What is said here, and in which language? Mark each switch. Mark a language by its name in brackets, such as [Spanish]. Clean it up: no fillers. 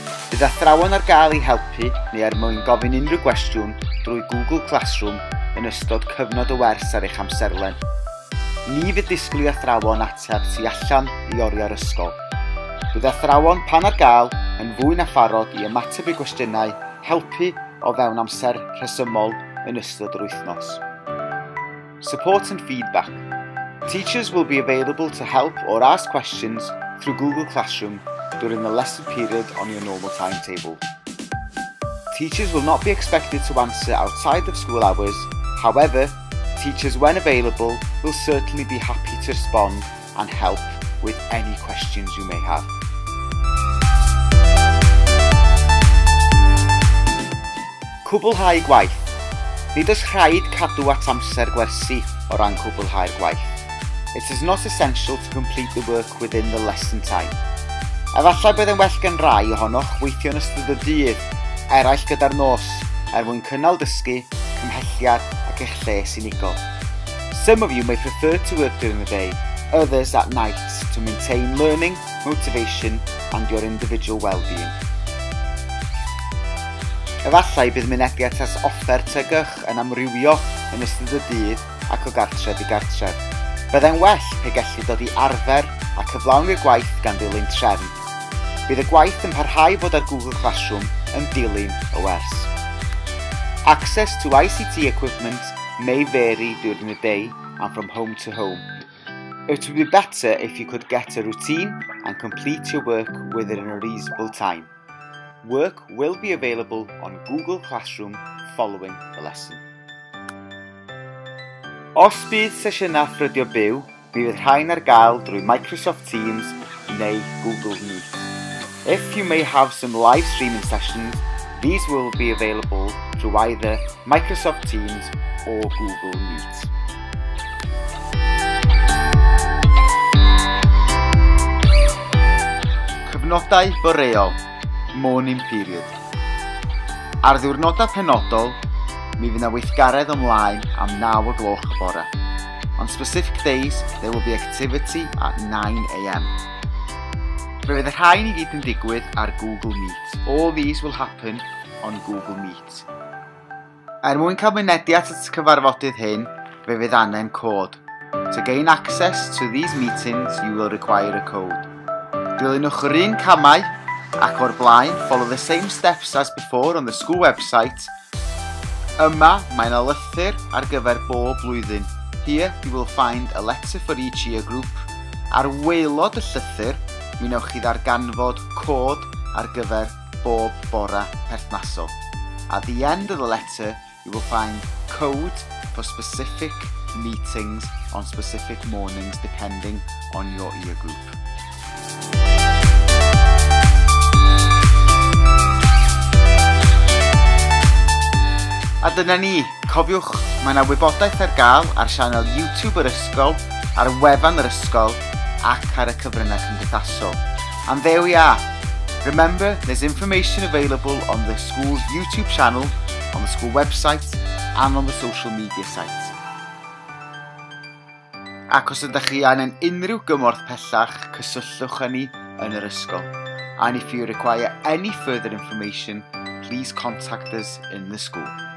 [Welsh] Bydd athrawon ar gael I helpu neu er mwyn gofyn unrhyw gwestiwn drwy Google Classroom yn ystod cyfnod y wers ar eich amserlen. Ni fydd disgwyl athrawon ateb tu allan I oriau'r ysgol. Bydd athrawon pan ar gael yn fwy na pharod I ymateb I gwestiynau helpu o fewn amser rhesymol yn ystod yr wythnos. [English] Support and feedback. Teachers will be available to help or ask questions through Google Classroom during the lesson period on your normal timetable. Teachers will not be expected to answer outside of school hours. However, teachers, when available, will certainly be happy to respond and help with any questions you may have. [Welsh] Cwblhau gwaith. Nid oes rhaid cadw at amser gwersi o ran cwblhau'r gwaith. [English] It is not essential to complete the work within the lesson time. [Welsh] Efallai bydd yn well gan rai ohonoch weithio yn ystod y dydd, eraill gyda'r nos, er mwyn cynnal dysgu, cymhelliad ac eich lles unigol. [English] Some of you may prefer to work during the day, others at night to maintain learning, motivation and your individual well-being. [Welsh] Efallai bydd mynegiad as offer tegych yn amrywio yn ystod y dydd ac o gartref I gartref. Byddai'n well pe gellir dod I arfer a cyflawni'r gwaith gan ddilyn trefn. Bydd y gwaith yn parhau bod ar Google Classroom yn dilyn y wers. [English] Access to ICT equipment may vary during the day and from home to home. It would be better if you could get a routine and complete your work within a reasonable time. Work will be available on Google Classroom following the lesson. [Welsh] Os bydd sesiynau ffrydio byw, mi fydd rhain ar gael drwy Microsoft Teams neu Google Meet. [English] If you may have some live streaming sessions, these will be available through either Microsoft Teams or Google Meet. [Welsh] Cyfnodau boreol. [English] Morning period. [Welsh] Ar ddiwrnodau penodol, mi fydd yna weithgaredd ymlaen am 9 o gloch bore. [English] On specific days, there will be activity at 9 a.m. [Welsh] Fe fydd y rhain I gyd yn digwydd ar Google Meet. [English] All these will happen on Google Meet. [Welsh] Er mwyn cael mynediad at y cyfarfodydd hyn, fe fydd angen cod. [English] To gain access to these meetings, you will require a code. [Welsh] Dilynwch yr un camau ac o'r blaen, [English] follow the same steps as before on the school website. [Welsh] Yma, mae yna lythyr ar gyfer bob blwyddyn. [English] Here, you will find a letter for each year group. [Welsh] Ar waelod y llythyr, mi wnewch chi ddarganfod cod ar gyfer bob bora perthnasol. [English] At the end of the letter, you will find code for specific meetings on specific mornings depending on your year group. [Welsh] A dyna ni, cofiwch, mae yna wybodaeth ar gael ar sianel YouTube yr ysgol, ar wefan yr ysgol ac ar y cyfrynau cymdeithasol. [English] And there we are. Remember, there's information available on the school's YouTube channel, on the school website and on the social media site. [Welsh] Ac os ydych chi angen unrhyw gymorth pellach, cysylltwch â ni yn yr ysgol. [English] And if you require any further information, please contact us in the school.